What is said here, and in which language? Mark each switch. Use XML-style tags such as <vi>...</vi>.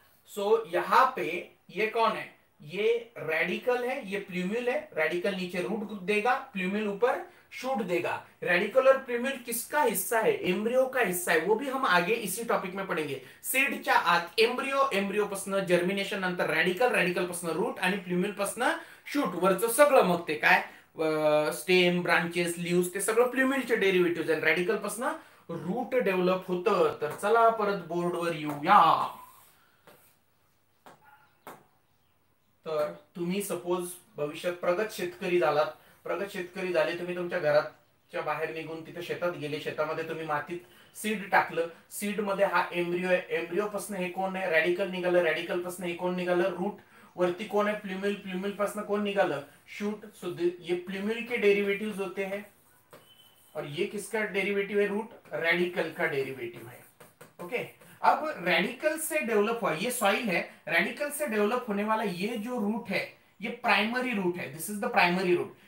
<hi>सो यहां पे ये कौन है, ये रेडिकल है, ये प्लूम्यूल है। रेडिकल नीचे रूट देगा, प्लूम्यूल ऊपर शूट देगा। रेडिकल और प्लूम्यूल किसका हिस्सा है, एम्ब्रियो का हिस्सा है, वो भी हम आगे इसी टॉपिक में पढ़ेंगे।</hi> <mr>सीड चा आत एम्ब्रियो, एम्ब्रियो पासून जर्मिनेशन नंतर रेडिकल, रेडिकल पासून रूट आणि प्लूम्यूल पासून शूट, वरचं सगळं मग ते काय स्टेम ब्रांचेस लीव्स ते सगळं प्लूम्यूलचे डेरिव्हेटिव्स, आणि रेडिकल पासून रूट डेव्हलप होतं। तर चला परत बोर्डवर येऊया। तर तुम्ही सपोज भविष्यात प्रगत शेतकरी झालात, प्रगत शेतकरी झाले, तुम्ही तुमच्या घराच्या बाहेर निघून तिथे शेतात गेले, शेतामध्ये तुम्ही मातीत सीड टाकलं, सीड मध्ये हा एम्ब्रियो आहे, एम्ब्रियो पासून हे कोण आहे, रॅडिकल निघालं, रॅडिकल पासून हे कोण निघालं, रूट वरती कोण आहे, प्लुम्युल, प्लुम्युल पासून कोण निघालं, शूट।</mr> <hi>सो ये प्लुम्युल के डेरिवेटिव्स होते हैं, और ये किसका डेरिवेटिव है, रूट रेडिकल का डेरिवेटिव है। ओके, अब रेडिकल से डेवलप हुआ ये सॉइल है, रेडिकल से डेवलप होने वाला ये जो रूट है ये प्राइमरी रूट है,</hi> <en>This is the primary route.</en>